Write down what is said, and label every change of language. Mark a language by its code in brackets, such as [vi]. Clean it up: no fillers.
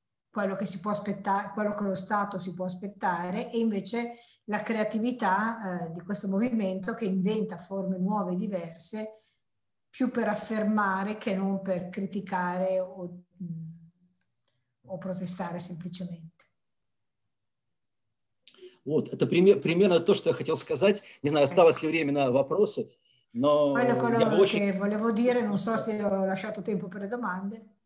[it] quello che si può aspettare, quello che lo Stato si può aspettare, e invece la creatività di questo movimento che inventa forme nuove e diverse più per affermare che non per criticare o protestare semplicemente. [ru] Вот, это примерно то, что я хотел сказать. Не знаю, осталось ли время на вопросы, но... [it] Volevo dire, non so se ho lasciato tempo per le domande.